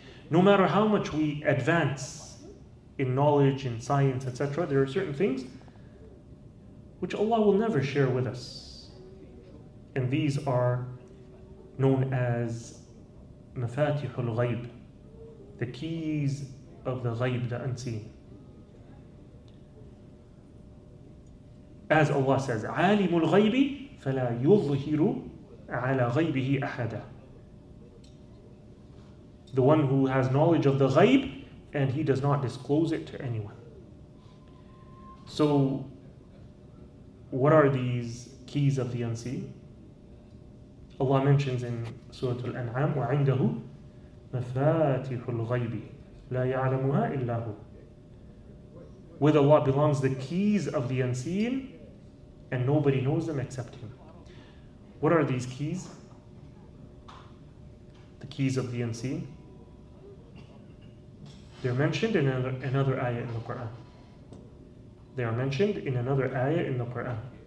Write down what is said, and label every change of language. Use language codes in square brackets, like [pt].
[en] No matter how much we advance in knowledge, in science, etc., there are certain things which Allah will never share with us. And these are known as [ar] مفاتيح الغيب, [en] the keys of the ghaib, the unseen. As Allah says, [ar] عالم الغيب فلا يظهر على غيبه أحدا. [en] The one who has knowledge of the ghaib, and he does not disclose it to anyone. So, what are these keys of the unseen? Allah mentions in Surah Al-An'am, [ar] وَعِنْدَهُ مَفَاتِحُ الْغَيْبِ لَا يَعْلَمُهَا إِلَّا هُ. [en] With Allah belongs the keys of the unseen, and nobody knows them except Him. What are these keys? The keys of the unseen. They're mentioned in another ayah in the Quran. They are mentioned in another ayah in the Quran.